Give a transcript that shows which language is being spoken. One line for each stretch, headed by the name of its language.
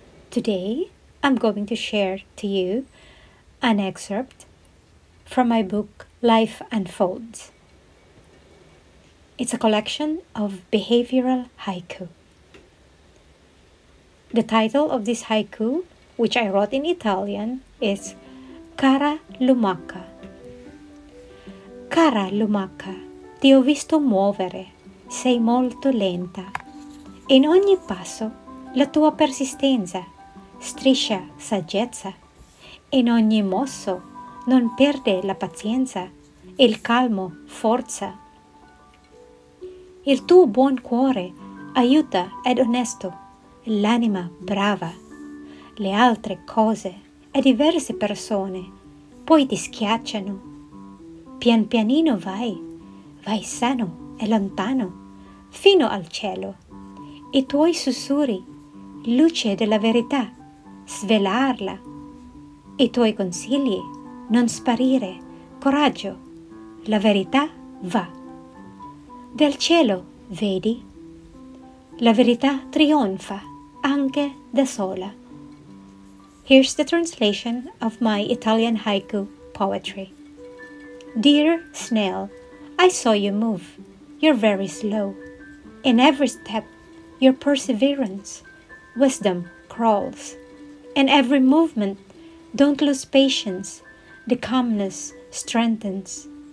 English: Today, I'm going to share to you an excerpt from my book, Life Unfolds. It's a collection of behavioral haiku. The title of this haiku, which I wrote in Italian, is Cara Lumaca.
Italian: Cara Lumaca, ti ho visto muovere, sei molto lenta. In ogni passo, la tua persistenza striscia saggezza. In ogni mosso, non perde la pazienza, il calmo forza. Il tuo buon cuore aiuta ed onesto, l'anima brava. Le altre cose e diverse persone poi ti schiacciano. Pian pianino vai. Vai sano e lontano, fino al cielo. I tuoi sussurri, luce della verità, svelarla. I tuoi consigli, non sparire, coraggio, la verità va. Del cielo, vedi, la verità trionfa anche da sola.
English: Here's the translation of my Italian haiku poetry. Dear snail, I saw you move, you're very slow. In every step, your perseverance, wisdom crawls. In every movement, don't lose patience, the calmness strengthens.